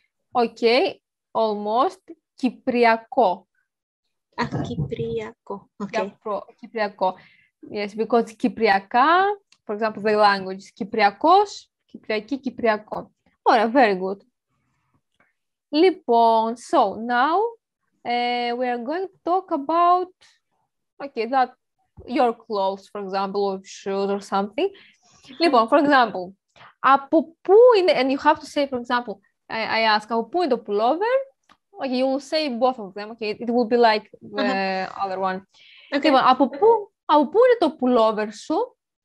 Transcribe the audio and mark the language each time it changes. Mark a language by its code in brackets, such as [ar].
[el] Οκ, almost Κυπριακό. Α, Κυπριακό. [en] Okay. [el] Κυπριακό. [en] Yes, because Κυπριακά, for example, the language is Κυπριακός, Κυπριακή, Κυπριακό. [el] Ωραία, [en] very good. [el] Λοιπόν, [en] so now we are going to talk about, okay, that your clothes, for example, or shoes or something. [el] Λοιπόν, [en] for example, [el] από πού είναι, [en] and you have to say, for example, I ask, [el] από πού είναι το pullover? [en] Okay, you will say both of them, okay, it will be like the uh-huh. other one. Okay. [el] Λοιπόν, από πού είναι το pullover σου?